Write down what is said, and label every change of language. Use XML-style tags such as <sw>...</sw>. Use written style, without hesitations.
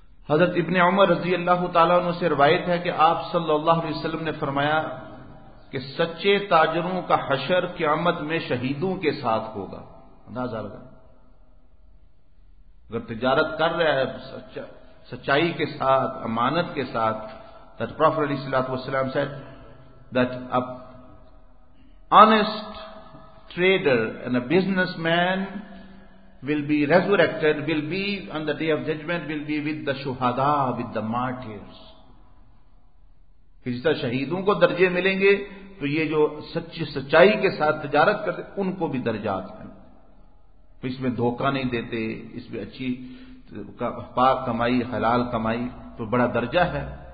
<ur>حضرت ابن عمر رضی اللہ تعالیٰ عنہ سے روایت ہے کہ آپ صلی اللہ علیہ وسلم نے فرمایا کہ سچے تاجروں کا حشر قیامت میں شہیدوں کے ساتھ ہوگا. اندازہ لگا، اگر تجارت کر رہا ہے سچا، سچائی کے ساتھ، امانت کے ساتھ.</ur> <en>That Prophet صلی اللہ علیہ وسلم said that a honest trader and a businessman will be resurrected, will be on the day of judgment, will be with the shuhada, with the martyrs.</en> <ur>کہ جس طرح شہیدوں کو درجے ملیں گے تو یہ جو سچائی کے ساتھ تجارت کرتے ان کو بھی درجات ہیں. اس میں دھوکہ نہیں دیتے، اس میں اچھی پاک کمائی، حلال کمائی، تو بڑا درجہ ہے.</ur>